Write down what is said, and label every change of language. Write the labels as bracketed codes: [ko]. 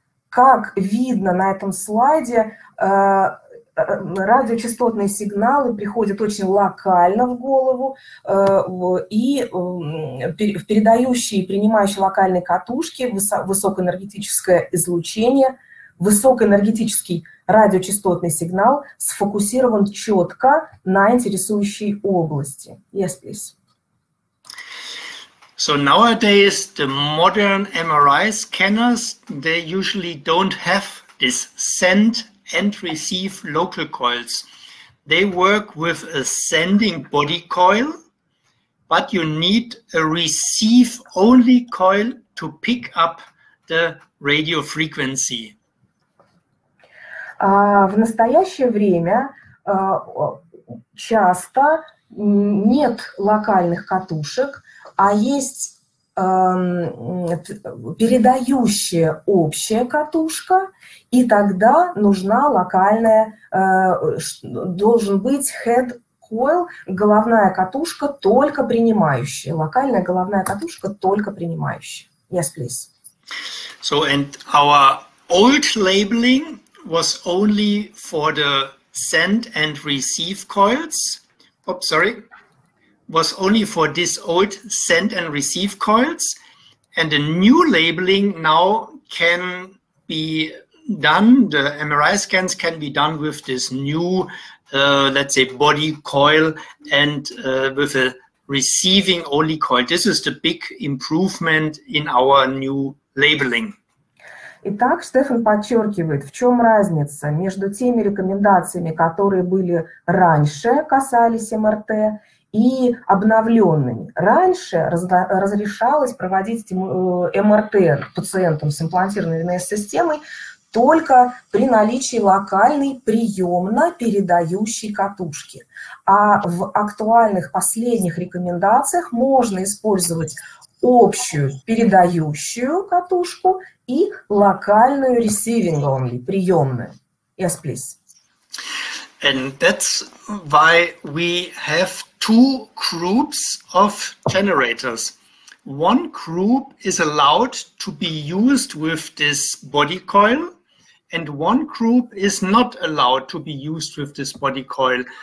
[ru] Как видно на этом слайде, радиочастотные сигналы приходят очень локально в голову, и в передающие и принимающие локальные катушки высокоэнергетическое излучение, высокоэнергетический радиочастотный сигнал сфокусирован четко на интересующей области. [en] Yes, please. So nowadays the modern MRI scanners, they usually don't have this send and receive local coils. They work with a sending body coil, but you need a receive only coil to pick up the radio frequency. [ru] В настоящее время часто нет локальных катушек, а есть передающая общая катушка, и тогда нужна локальная, должен быть head coil, головная катушка, только принимающая. Локальная головная катушка, только принимающая. [en] Yes, please. So, and our old labeling was only for the send and receive coils. Oops, sorry. Was only for this old send and receive coils, and the new labeling now can be done. The MRI scans can be done with this new, let's say, body coil and with a receiving only coil. This is the big improvement in our new labeling. [ru] Итак, Стефан подчеркивает, в чем разница между теми рекомендациями, которые были раньше, касались МРТ, и обновленными. Раньше разрешалось проводить МРТ пациентам с имплантированной венозной системой только при наличии локальной приемно-передающей катушки. А в актуальных последних рекомендациях можно использовать общую передающую катушку и локальную receiving only, приемную. [en] Yes, please. And that's why we have two groups of generators. One group is allowed to be used with this body coil, and one group is not allowed to be used with this body coil.